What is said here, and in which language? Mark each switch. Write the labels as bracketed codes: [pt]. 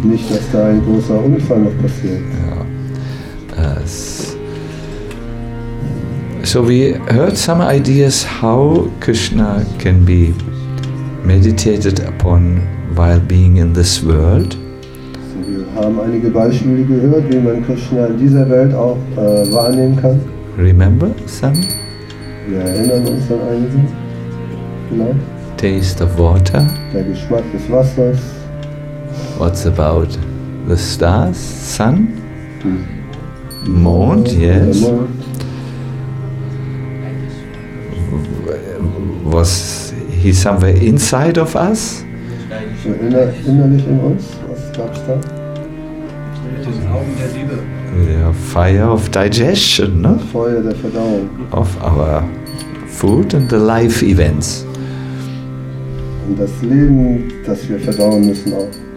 [de] Nicht, dass da ein großer Unfall noch passiert. Ja. [en] So we heard some ideas how Krishna can be meditated upon while being in this world. [de] Wir haben einige Beispiele gehört, wie man Krishna in dieser Welt auch wahrnehmen kann. [en] Remember some? [de] Wir erinnern uns an einige. Genau. [en] Taste of water. [de] Der Geschmack des Wassers. [en] What's about the stars? Sun? [de] Mond, [en] yes. Was he somewhere inside of us? [de] Innerlich in uns? Was gab's da? [en] Yeah, fire of digestion, no? [de] Feuer der Verdauung. [en] Of our food and the life events. [de] Und das Leben, das wir verdauen müssen auch.